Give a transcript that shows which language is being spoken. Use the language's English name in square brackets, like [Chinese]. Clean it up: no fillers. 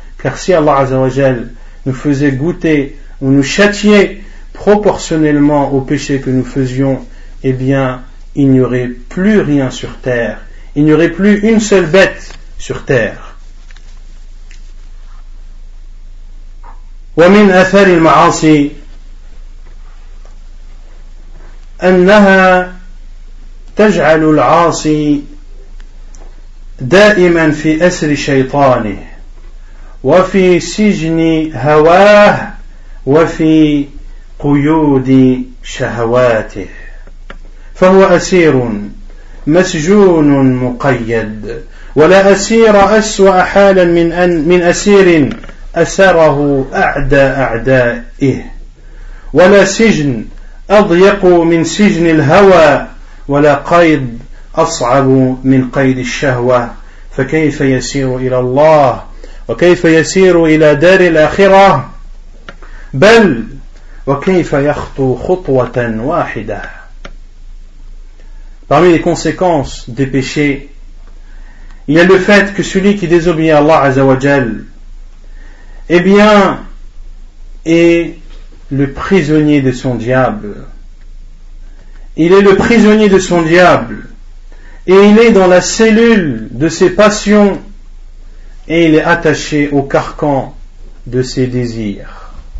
[French] Car si Allah Azza wa Jal nous faisait goûter ou nous châtiait proportionnellement au péché que nous faisions, eh bien, il n'y aurait plus rien sur terre. Il n'y aurait plus une seule bête sur terre. [Arabic] وَمِنْ أَثَرِ الْمَعَاصِي أَنَّهَا تجعل العاصي دائما في أسر شيطانه وفي سجن هواه وفي قيود شهواته فهو أسير مسجون مقيد ولا أسير أسوأ حالا من أسير أسره أعدى أعدائه ولا سجن أضيق من سجن الهوى ولا قيد أصعب من قيد الشهوة فكيف يسير إلى الله وكيف يسير إلى دار الآخرة بل وكيف يخطو خطوة واحدة. [French] Parmi les conséquences des péchés, il y a le fait que celui qui désobéit à Allah Azza wa Jal, eh bien, est le prisonnier de son diable. Il est le prisonnier de son diable et il est dans la cellule de ses passions et il est attaché au carcan de ses désirs.